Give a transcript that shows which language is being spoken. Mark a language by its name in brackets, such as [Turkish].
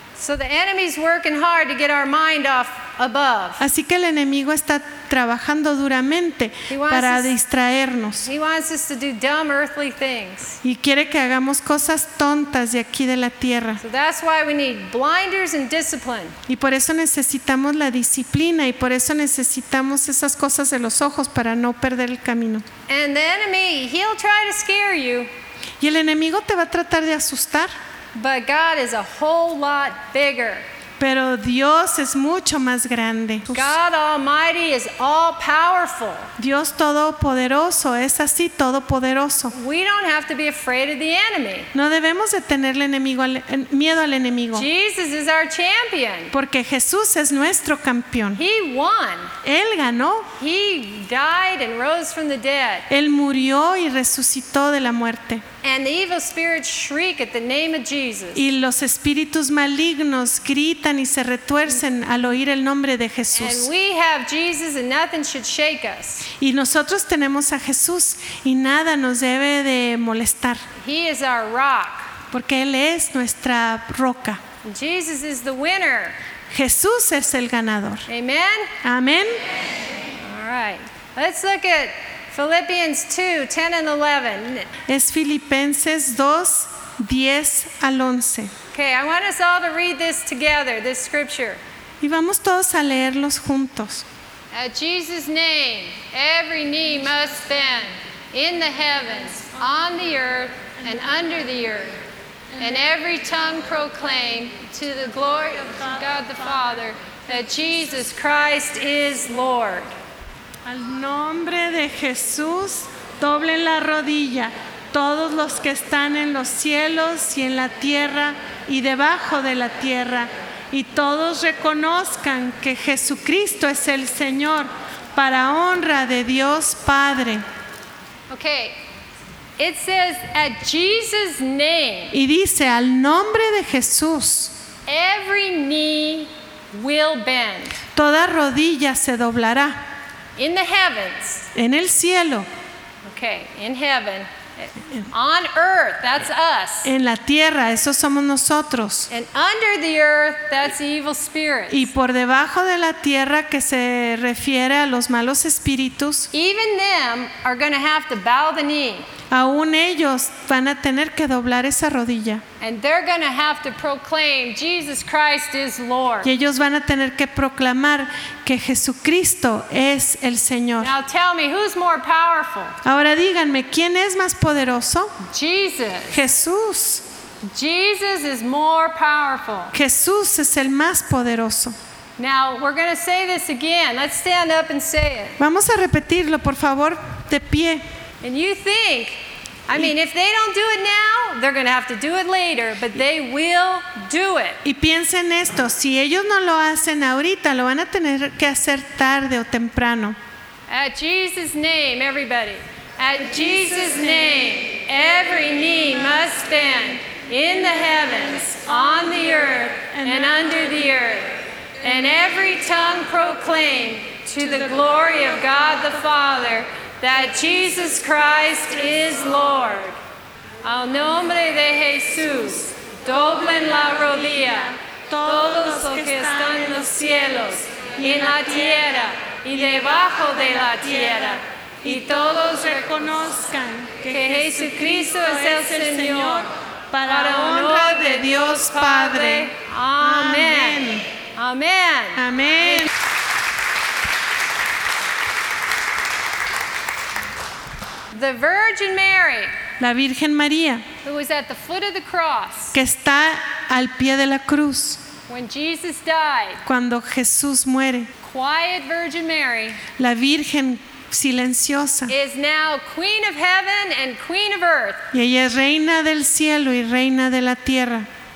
[English] So the enemy's working hard to get our mind off above. [Spanish] Así que el enemigo está trabajando duramente para distraernos. [English] He wants us to do dumb earthly things. [Spanish] Y quiere que hagamos cosas tontas de aquí de la tierra. [English] So that's why we need blinders and discipline. [Spanish] Y por eso necesitamos la disciplina y por eso necesitamos esas cosas de los ojos para no perder el camino. [English] And the enemy, he'll try to scare you. [Spanish] Y el enemigo te va a tratar de asustar. [English] But God is a whole lot bigger. [Spanish] Pero Dios es mucho más grande. [English] God Almighty is all powerful. [Spanish] Dios Todopoderoso es así, todopoderoso. [English] We don't have to be afraid of the enemy. [Spanish] No debemos de tenerle miedo al enemigo. [English] Jesus is our champion. [Spanish] Porque Jesús es nuestro campeón. [English] He won. [Spanish] Él ganó. [English] He died and rose from the dead. [Spanish] Él murió y resucitó de la muerte. [English] And the evil spirits shriek at the name of Jesus. [Spanish] Y los espíritus malignos gritan y se retuercen al oír el nombre de Jesús. [English] And we have Jesus and nothing should shake us. [Spanish] Y nosotros tenemos a Jesús y nada nos debe de molestar. [English] He is our rock. [Spanish] Porque Él es nuestra roca. [English] Jesus is the winner. [Spanish] Jesús es el ganador. [English] Amen. [Spanish] Amén. [English] All right. Let's look at Philippians 2, 10 and 11. [Spanish] Es Filipenses 2, 10 al 11. [English] Okay, I want us all to read this together, this scripture. [Spanish] Y vamos todos a leerlos juntos. [English] At Jesus' name, every knee must bend, in the heavens, on the earth, and under the earth. And every tongue proclaim to the glory of God the Father that Jesus Christ is Lord. [Spanish] Al nombre de Jesús, doblen la rodilla todos los que están en los cielos y en la tierra y debajo de la tierra, y todos reconozcan que Jesucristo es el Señor, para honra de Dios Padre. [English] Okay. It says at Jesus' name. [Spanish] Y dice al nombre de Jesús. [English] Every knee will bend. [Spanish] Toda rodilla se doblará. [English] In the heavens. [Spanish] En el cielo. [English] Okay, in heaven. On earth, that's us. [Spanish] En la tierra, eso somos nosotros. [English] And under the earth, that's evil spirits. [Spanish] Y por debajo de la tierra, que se refiere a los malos espíritus. [English] Even them are going to have to bow the knee. [Spanish] Aún ellos van a tener que doblar esa rodilla. [English] And they're going to have to proclaim Jesus Christ is Lord. [Spanish] Y ellos van a tener que proclamar que Jesucristo es el Señor. [English] Now tell me, who's more powerful? [Spanish] Ahora díganme, ¿quién es más poderoso? [English] Jesus. [Spanish] Jesús. [English] Jesus is more powerful. [Spanish] Jesús es el más poderoso. [English] Now we're going to say this again. Let's stand up and say it. [Spanish] Vamos a repetirlo, por favor, de pie. [English] And you think, I mean, if they don't do it now, they're going to have to do it later, but they will do it. [Spanish] Y piensen esto, si ellos no lo hacen ahorita, lo van a tener que hacer tarde o temprano. [English] At Jesus' name, everybody. At Jesus' name, every knee must bend, in the heavens, on the earth, and under the earth. And every tongue proclaim to the glory of God the Father, that Jesus Christ is Lord. [Spanish] Al nombre de Jesús, doblen la rodilla todos los que están en los cielos y en la tierra y debajo de la tierra, y todos reconozcan que Jesucristo es el Señor, para honra de Dios Padre. Amén. Amén. Amén. [English] The Virgin Mary, [Spanish] la Virgen María, [English] who was at the foot of the cross, [Spanish] que está al pie de la cruz, [English] when Jesus died, [Spanish] cuando Jesús muere, [English] quiet Virgin Mary, [Spanish] la Virgen silenciosa, [English] is now Queen of Heaven and Queen of Earth. [Spanish] Y ella es reina del cielo y reina de la tierra.